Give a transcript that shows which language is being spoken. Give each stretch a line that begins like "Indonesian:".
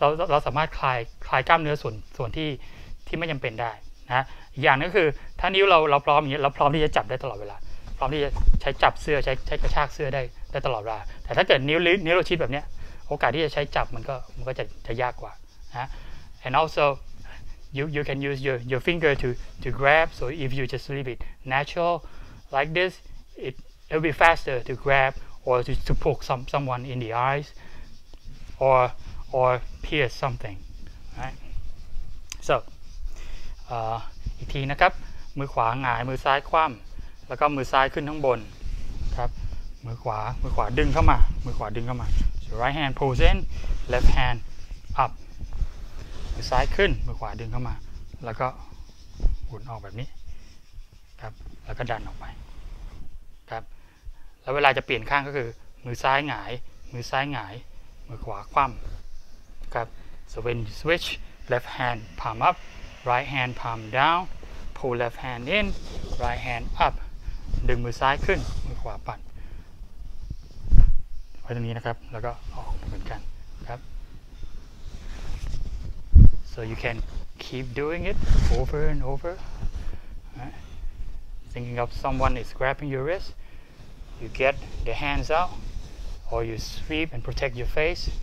Thai: เราสามารถคลายกล้ามเนื้อส่วนที่ไม่จําเป็นได้นะอย่างนึงคือถ้านิ้วเราพร้อมอย่างเงี้ยเราพร้อมที่จะจับได้ตลอดเวลาพร้อมที่จะใช้จับเสื้อใช้กระชากเสื้อได้ตลอดเวลาแต่ถ้าเกิดนิ้วเราชิดแบบเนี้ยโอกาสที่จะใช้จับมันก็จะยากกว่านะ
English: and alsoYou can use your finger to grab. So if you just leave it natural like this, it'll be faster to grab or to poke someone in the eyes, or pierce something, right?
Thai: So, อีกทีนะครับมือขวาหงายมือซ้ายคว่ำแล้วก็มือซ้ายขึ้นข้างบนครับมือขวาดึงเข้ามามือขวาดึงเข้ามา
English: right hand pulls in, left hand up.
Thai: ซ้ายขึ้นมือขวาดึงเข้ามาแล้วก็หมุนออกแบบนี้ครับแล้วก็ดันออกไป ครับแล้วเวลาจะเปลี่ยนข้างก็คือมือซ้ายหงายมือขวาคว่ำครับ
English: so when you switch left hand palm up right hand palm down pull left hand in right hand up
Thai: ดึงมือซ้ายขึ้นมือขวาปัดไว้ตรงนี้นะครับแล้วก็ออกเหมือนกัน
English: So you can keep doing it over and over. Right? Thinking of someone is grabbing your wrist, you get the hands out, or you sweep and protect your face.